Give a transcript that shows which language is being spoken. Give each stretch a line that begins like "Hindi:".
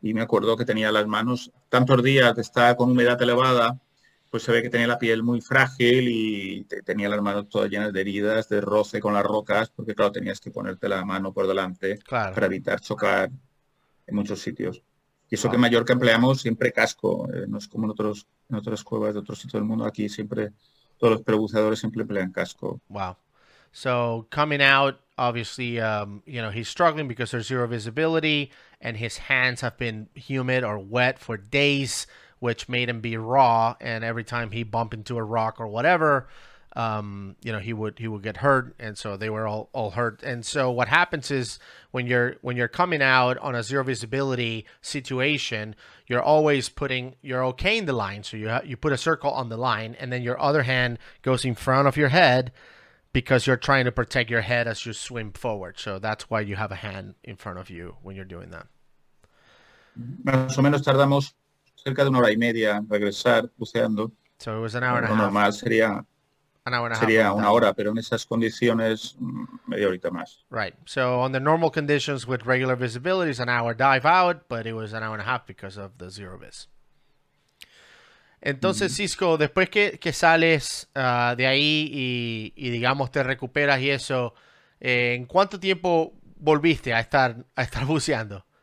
Spanish: Y me acuerdo que tenía las manos tantos días de estar con humedad elevada, pues se ve que tenía la piel muy frágil y tenía las manos todas llenas de heridas, de roce con las rocas, porque claro, tenías que ponerte la mano por delante, claro, para evitar chocar en muchos sitios. Y eso, wow, que en Mallorca empleamos siempre casco, no es como en otras cuevas de otro sitio del mundo. Aquí siempre Todos los prebuceadores siempre emplean casco.
English: Wow. So coming out, obviously, you know, he's struggling because there's zero visibility and his hands have been humid or wet for days, which made him be raw. And every time he bumped into a rock or whatever, you know, he would get hurt. And so they were all hurt. And so what happens is when you're coming out on a zero visibility situation, you're always putting, you're okaying the line. So you put a circle on the line and then your other hand goes in front of your head because you're trying to protect your head as you swim forward. So that's why you have a hand in front of you when you're doing that.
Spanish: Más o menos tardamos cerca de una hora y media regresar buceando.
English: So it was an hour and a half.
Spanish: Normal sería,
English: an hour and a half.
Spanish: Sería una hora, pero en esas condiciones, media horita más.
English: Right. So on the normal conditions with regular visibility, it's an hour dive out, but it was an hour and a half because of the zero vis.
Spanish: Entonces, Xisco, después que sales de ahí y digamos te recuperas y eso, ¿en cuánto tiempo volviste a estar buceando?